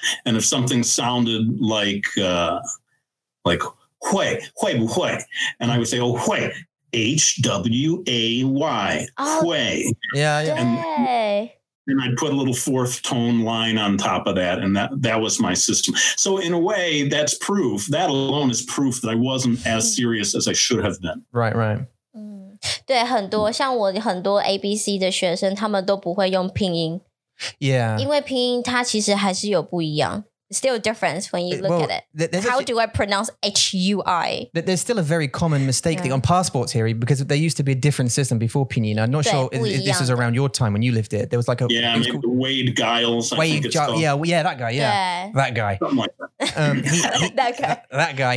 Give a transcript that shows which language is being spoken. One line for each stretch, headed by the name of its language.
English: And if something sounded like hui, hui, hui, and I would say, oh, hui, H-W-A-Y, oh, hui. Yeah. And I'd put a little fourth tone line on top of that. And that was my system. So in a way, that's proof. That alone is proof that I wasn't as serious as I should have been. Right, right.
Chinese: 对,很多 ABC的学生, 他们都不会用拼音。
English: Yeah.
Chinese: 因为拼音它其实还是有不一样。
English: Still a difference when you look at it. How do I pronounce H-U-I? There's still a very common mistake on passports here, because there used to be a different system before pinyin. I'm not sure if this is around your time when you lived it. There was like a... Yeah, maybe Wade Giles. Yeah, that guy. That guy. That guy.